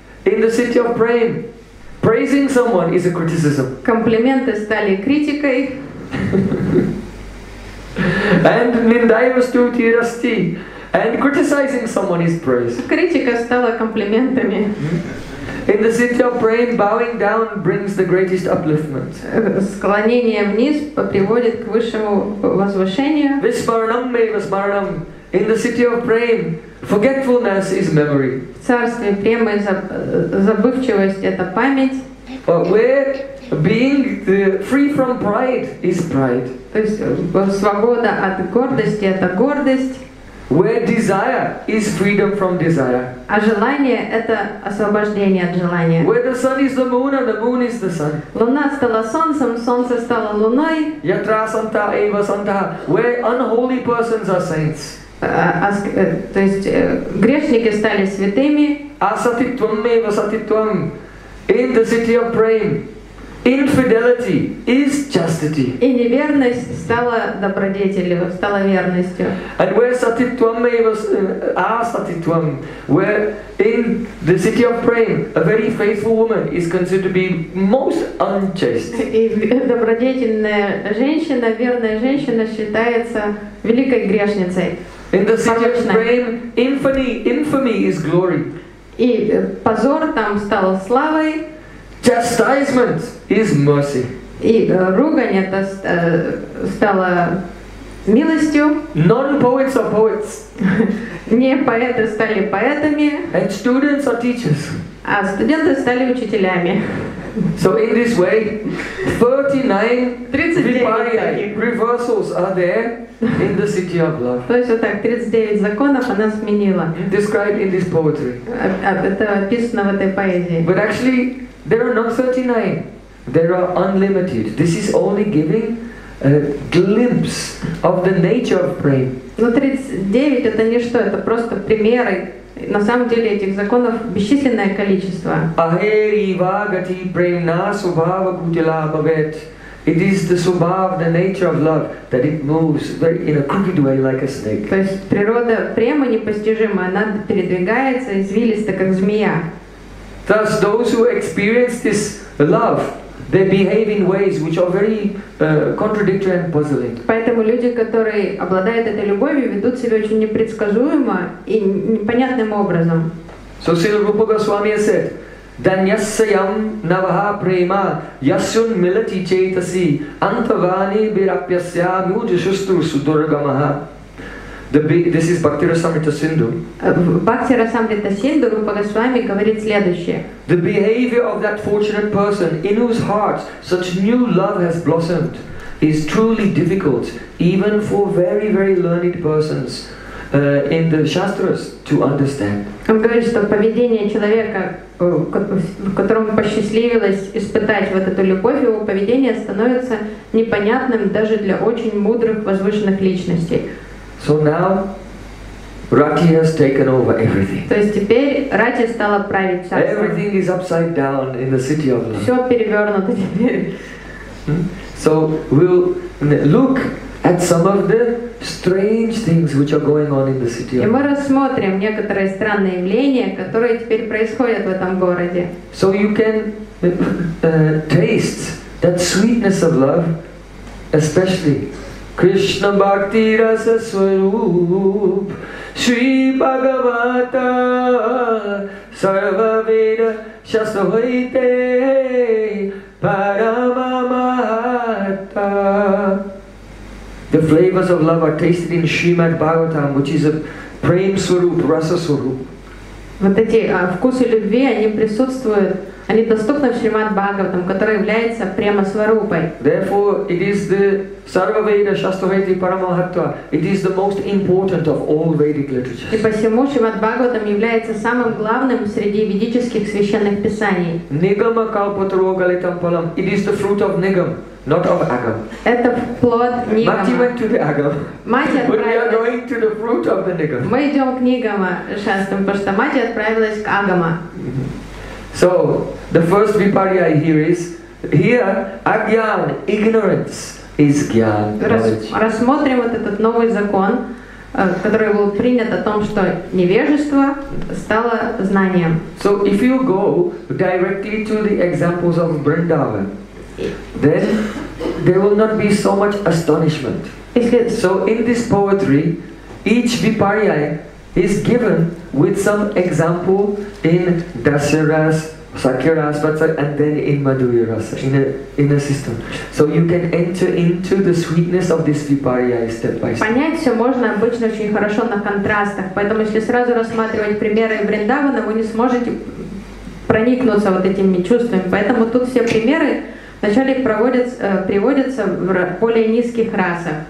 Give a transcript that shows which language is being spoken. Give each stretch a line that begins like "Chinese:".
English: In the city of Prem, praising someone is a criticism.
Russian: Комплименты стали критикой.
Sanskrit: And ниндайва стути расти.
English: And criticizing someone is praise.
Russian: Критика стала комплиментами.
English: In the city of Prem, bowing down brings the greatest upliftment.
Russian: Склонение вниз приводит к высшему возвышению.
Sanskrit: Vismaranam eva smaranam.
English: In the city of Prem, forgetfulness is memory.
Russian: В царстве Премы забывчивость — это память.
English: Where being free from pride is pride.
Russian: То есть свобода от гордости — это гордость.
English: Where desire is freedom from desire.
Russian: А желание — это освобождение от желания.
English: Where the sun is the moon and the moon is the sun.
Russian: Луна стала солнцем, солнце стало луной.
Sanskrit: Yatra santa eva santa.
English: Where unholy persons are saints.
Russian: То есть грешники стали святыми.
Sanskrit: Asatitvam eva satitvam.
English: In the city of Prem, infidelity is chastity.
Russian: И неверность стала добродетелью, стала верностью.
English: And where
Sanskrit: satitvam eva asatitvam,
English: where in the city of Prem, a very faithful woman is considered to be most unchaste.
Russian: И добродетельная женщина, верная женщина считается великой грешницей.
English: In the city of Prem, infamy is glory.
Russian: И позор там стал славой.
English: Chastisement is mercy.
Russian: И ругань это стало милостью.
English: Non-poets are poets.
Russian: Не поэты стали поэтами.
English: And students are teachers.
Russian: А студенты стали учителями.
English: So in this way, 39 reversals are there in the city of love.
Russian: То есть вот так 39 законов она сменила.
English: Described in this poetry.
Russian: Это описано в этой поэзии.
English: But actually, there are not 39. There are unlimited. This is only giving a glimpse of the nature of Prem.
Russian: Но 39 это не что, это просто примеры. На самом деле этих законов бесчисленное количество.
Sanskrit: Ahirivagati premna subhava gutila bhavet.
English: It is the subhav, the nature of love, that it moves in a crooked way like a snake.
Russian: То есть природа према непостижима, она передвигается извилисто, как змея.
English: Thus, those who experience this love, they behave in ways which are very contradictory and puzzling.
Russian: Поэтому люди, которые обладают этой любовью, ведут себя очень непредсказуемо и непонятным образом.
English: So Srila Rupa Goswami said,
Sanskrit: Danyasayam navaha prema yasyun milati chetasi antavani birapyasya mujushustu sudurgamaha.
English: This is Bhakti Rasamrita Sindhu.
Russian: Bhakti Rasamrita Sindhu Rupa Goswami говорит следующее.
English: The behavior of that fortunate person in whose heart such new love has blossomed is truly difficult even for very, very learned persons in the Shastras to understand.
Russian: Он говорит, что поведение человека, которому посчастливилось испытать вот эту любовь, его поведение становится непонятным даже для очень мудрых, возвышенных личностей.
English: So now, Rati has taken over everything.
Russian: То есть теперь Рати стала править царством.
English: Everything is upside down in the city of love.
Russian: Все перевернуто теперь.
English: So we'll look at some of the strange things which are going on in the city of love.
Russian: И мы рассмотрим некоторые странные явления, которые теперь происходят в этом городе.
English: So you can taste that sweetness of love, especially Krishna Bhakti Rasa Swarup Shri Bhagavata
Sanskrit: Sarva Veda Shastavaite Parama Mahatta.
English: The flavors of love are tasted in Srimad Bhagavatam, which is a Prem Swarup, Rasa Swarup.
Russian: Вот эти вкусы любви, они присутствуют, они доступны в Шримад Бхагаватам, который является Према Сварупой.
English: Therefore, it is the
Sanskrit: Sarva Veda Shastavaiti Paramahatva.
English: It is the most important of all Vedic literatures.
Russian: И посему Шримад Бхагаватам является самым главным среди ведических священных писаний.
Sanskrit: Нигама Калпатро Галитам Палам.
English: It is the fruit of Nigam, not of Agam.
Russian: Это плод Нигама.
English: Мати went to the Agam.
Russian: Мати отправилась.
English: But we are going to the fruit of the Nigam.
Russian: Мы идем к Нигама Шастам, потому что Мати отправилась к Агама.
English: So, the first viparya here is, here, agyan, ignorance, is gyan, knowledge.
Russian: Рассмотрим вот этот новый закон, который был принят о том, что невежество стало знанием.
English: So, if you go directly to the examples of Vrindavan, then there will not be so much astonishment. So, in this poetry, each viparya is given with some example in Dasaras, Sakyaras, and then in Madhuyaras, in a system. So you can enter into the sweetness of this Viparya step by step.
Russian: Понять все можно обычно очень хорошо на контрастах. Поэтому если сразу рассматривать примеры Вриндавана, вы не сможете проникнуться вот этими чувствами. Поэтому тут все примеры вначале приводятся в более низких расах.